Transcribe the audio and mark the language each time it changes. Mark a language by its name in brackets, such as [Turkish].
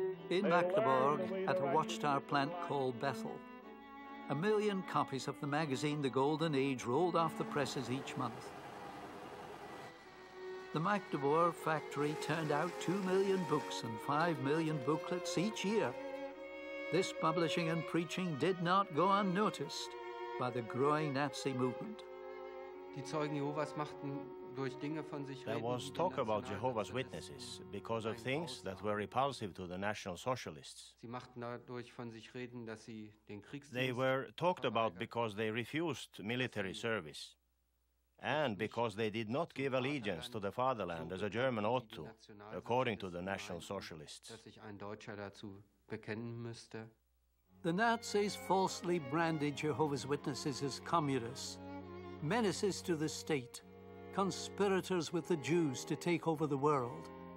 [English] In Magdeburg, at a watchtower plant called Bethel, a million copies of the magazine The Golden Age rolled off the presses each month. The Magdeburg factory turned out 2 million books and 5 million booklets each year. This publishing and preaching did not go unnoticed by the growing Nazi movement. [German] Die Zeugen Jehovas machten durch Dinge von sich reden. [English] There was talk about Jehovah's Witnesses because of things that were repulsive to the National Socialists. [German] Sie machten dadurch von sich reden, dass sie den Kriegsdienst. [English] They were talked about because they refused military service and because they did not give allegiance to the fatherland as a German ought to, according to the National Socialists. [German] Dass sich ein Deutscher dazu bekennen müsste. [English] The Nazis falsely branded Jehovah's Witnesses as communists, menaces to the state, conspirators with the Jews to take over the world.